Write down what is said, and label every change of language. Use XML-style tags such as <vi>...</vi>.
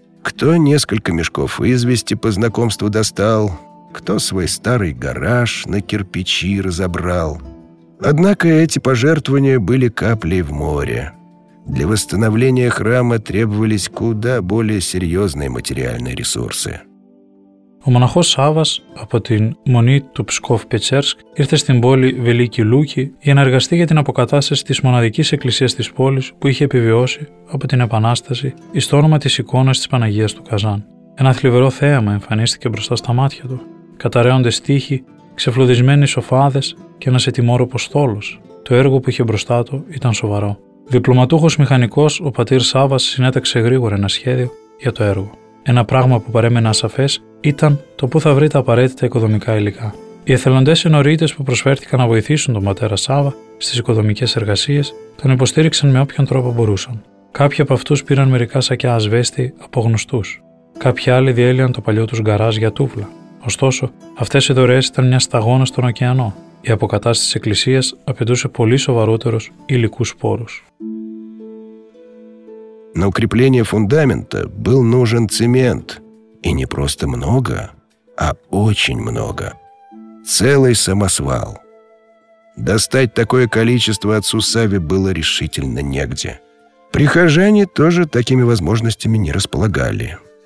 <ru>Кто несколько мешков извести по знакомству достал, кто свой старый гараж на кирпичи разобрал. Однако эти пожертвования были каплей в море. Для восстановления храма требовались куда более серьезные материальные ресурсы.</ru> <el>Ο μοναχός Σάββας από την Μονή του Ψκόφ-Πετσέρσκ ήρθε στην πόλη Βελίκη Λούκη για να εργαστεί για την αποκατάσταση της μοναδικής εκκλησίας της πόλης που είχε επιβιώσει από την Επανάσταση στο όνομα της εικόνας της Παναγίας του Καζάν. Ένα θλιβερό θέαμα εμφανίστηκε μπροστά στα μάτια του. Καταραίοντες τείχοι, ξεφλουδισμένοι σοφάδες και ένας ετοιμόρροπος στόλος. Το έργο που είχε μπροστά του ήταν σοβαρό. Διπλωματούχος μηχανικός, ο πατήρ Σάββας συνέταξε γρήγορα ένα σχέδιο για το έργο. Ένα πράγμα που παρέμενε ασαφές ήταν το πού θα βρει τα απαραίτητα οικοδομικά υλικά. Οι εθελοντές ενορίτες που προσφέρθηκαν να βοηθήσουν τον πατέρα Σάββα στις οικοδομικές εργασίες τον υποστήριξαν με όποιον τρόπο μπορούσαν. Κάποιοι από αυτούς πήραν μερικά σακιά ασβέστη από γνωστούς. Κάποιοι άλλοι διέλυαν το παλιό τους γκαράζ για τούβλα. Ωστόσο, αυτές οι δωρεές ήταν μια σταγόνα στον ωκεανό. Η αποκατάσταση της εκκλησίας απαιτούσε πολύ σοβαρότερους υλικούς πόρους.</el> <ru>На укрепление фундамента был нужен цемент. И не просто много, а очень много. Целый самосвал. Достать такое количество отцу Савве было решительно негде. Прихожане тоже такими возможностями не располагали.</ru>